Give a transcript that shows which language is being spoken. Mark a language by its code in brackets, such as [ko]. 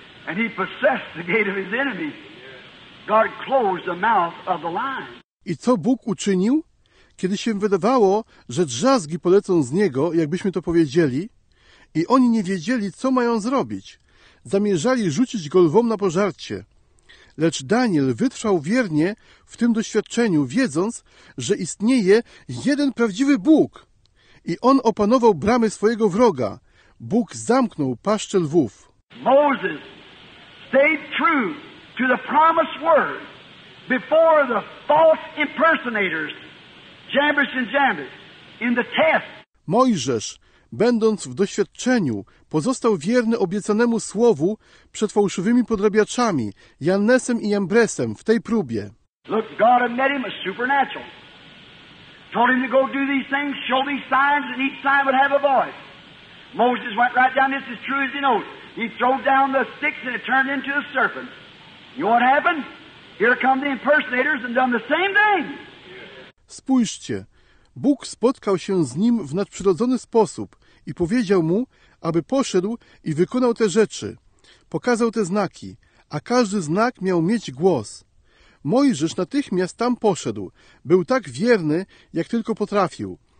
[en] And he possessed the gate of his enemy. God closed the mouth of the lion. [pl] I co Bóg uczynił? Kiedy się wydawało, że drzazgi polecą z niego, jakbyśmy to powiedzieli, i oni nie wiedzieli, co mają zrobić. Zamierzali rzucić go lwom na pożarcie. Lecz Daniel wytrwał wiernie w tym doświadczeniu, wiedząc, że istnieje jeden prawdziwy Bóg. I on opanował bramy swojego wroga. Bóg zamknął paszczę lwów. [en] Moses stayed true to the promised word before the false impersonators, Jabesh and Jabesh, in the test. [pl] Mojżesz, będąc w doświadczeniu, pozostał wierny obiecanemu słowu przed fałszywymi podrabiaczami, Jannesem i Jambresem, w tej próbie. [en] Look, God had met him a supernatural. Told him to go do these things, show these signs, and each sign would have a voice. Moses went right down, this is true as he knows. He threw down the sticks and it turned into a serpent. You know what happened? Here come the impersonators and done the same thing. [pl] Spójrzcie, Bóg spotkał się z nim w nadprzyrodzony sposób i powiedział mu, aby poszedł i wykonał te rzeczy. Pokazał te znaki, a każdy znak miał mieć głos. Mojżesz natychmiast tam poszedł. Był tak wierny, jak tylko potrafił.